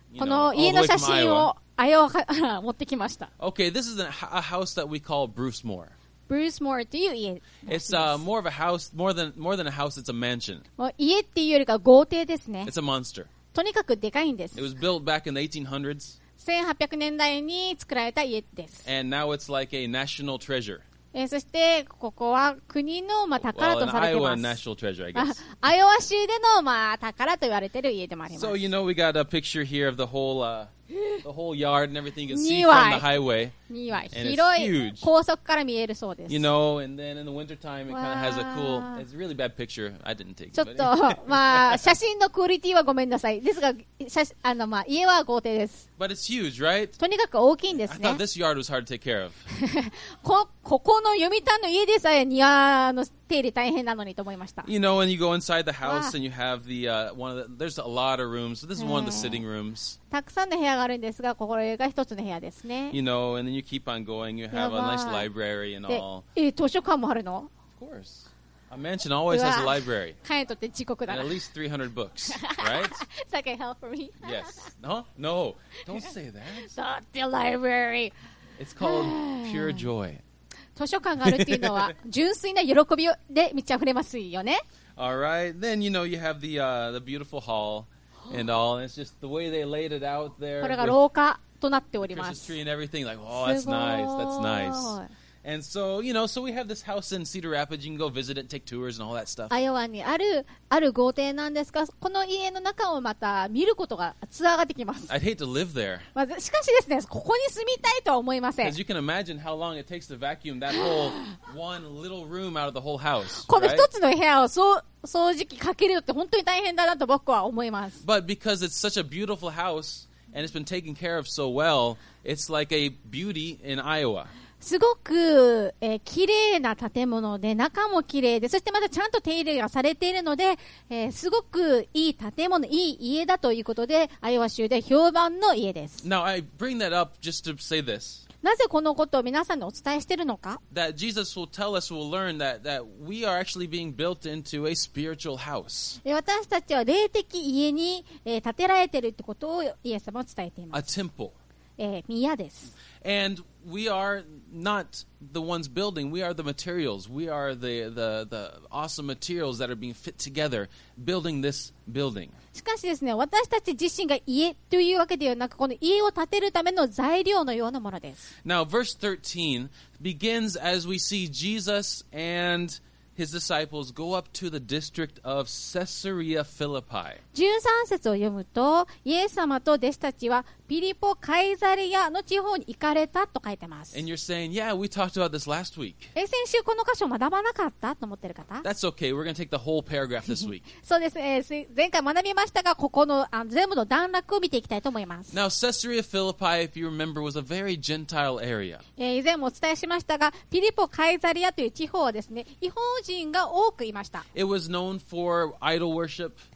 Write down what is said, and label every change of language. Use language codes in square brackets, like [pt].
[ja] この家の写真をアイオワ持ってきました。 [en] Okay, this is a house that we call Bruce Moore. [ja] Bruce Moore っていう家。 [en] It's more of a house, more than a house, it's a mansion. [ja] 家っていうよりか豪邸ですね。 [en] It's a monster. [ja] とにかくでかいんです。 [en] It was built back in the 1800s. [ja] 1800年代に作られた家です。 [en] And now it's like a national treasure. [ja] そしてここは国のまあ宝とされています。 [en] Well, Iowa National Treasure, I guess. [ja] アイオワ州でのまあ宝と言われている家でもあります。 [en] So you know we got a picture here of the whole yard and everything you can see from the highway. [ja] 庭広い高速から見えるそうです。 [en] You know, and then in the winter time it kind of has a cool. It's a really bad picture. I didn't take. [ja] ちょっとまあ写真のクオリティはごめんなさい。ですが写あのまあ家は豪邸です。 [en] But it's huge, right? [ja] とにかく大きいんですね。 [en] I thought this yard was hard to take care of. [ja] ここの読谷の家でさえ庭の手入れ大変なのにと思いました。 [en] You know, when you go inside the house and you have the, one of the, there's a lot of rooms. This is one of the sitting rooms. [ja] たくさんの部屋があるんですが、これが一つの部屋ですね。 [en] You know, and then you keep on going. You have a nice library and all. [ja] 図書館もあるの? [en] Of course. A mansion always has a library. [ja] 彼にとって地獄だな。 [en] And at least 300 books, right? It's like a hell for me. Yes. No? No. Don't say that. Not the library. It's called pure joy. [ja] 図書館があるっていうのは純粋な喜びで満ち溢れますよね。 [en] All right. Then, you know, you have the beautiful hall. and all. And it's just the way they laid it out there. [ja] これが廊下となっております。 [en] Christmas tree and everything. Like, oh, that's nice. That's nice. And so, you know, so we have this house in Cedar Rapids. You can go visit it, take tours and all that stuff. [ja] アイオワにある豪邸なんですが、この家の中をまた見ることが、ツアーができます。 [en] I'd hate to live there. [ja] しかしですね、ここに住みたいとは思いません。 [en] As you can imagine how long it takes to vacuum that whole one little room out of the whole house. [ja] この一つの部屋を掃除機かけるって本当に大変だなと僕は思います。 [en] But because it's such a beautiful house and it's been taken care of so well, it's like a beauty in Iowa. [ja] すごく、綺麗な建物で中も綺麗でそしてまたちゃんと手入れがされているので、すごくいい建物いい家だということでアイオワ州で評判の家です。 [en] Now, I bring that up just to say this. [ja] なぜこのことを皆さんにお伝えしているのか [en] that Jesus will tell us, we'll learn that we are actually being built into a spiritual house. [ja] 私たちは霊的家に、建てられているということをイエス様は伝えています [en] a temple. [ja] 宮です。 [en] And we are not the ones building, we are the materials. We are the awesome materials that are being fit together, building this building. [ja] しかしですね、私たち自身が家というわけではなく、この家を建てるための材料のようなものです。 [en] Now, verse 13 begins as we see Jesus and his disciples go up to the district of Caesarea Philippi. [ja] 13節を読むと、イエス様と弟子たちはピリポ・カイザリアの地方に行かれたと書いてます。 [en] And you're saying, yeah, we talked about this last week. [ja] 先週この箇所学ばなかったと思ってる方? [en] That's okay, we're going to take the whole paragraph this week. [ja] そうですね、前回学びましたが、ここの全部の段落を見ていきたいと思います。 [en] Now, Caesarea Philippi, if you remember, was a very Gentile area. [ja] 以前もお伝えしましたが、ピリポ・カイザリアという地方はですね、異邦人が多くいました。 [en] It was known for idol worship.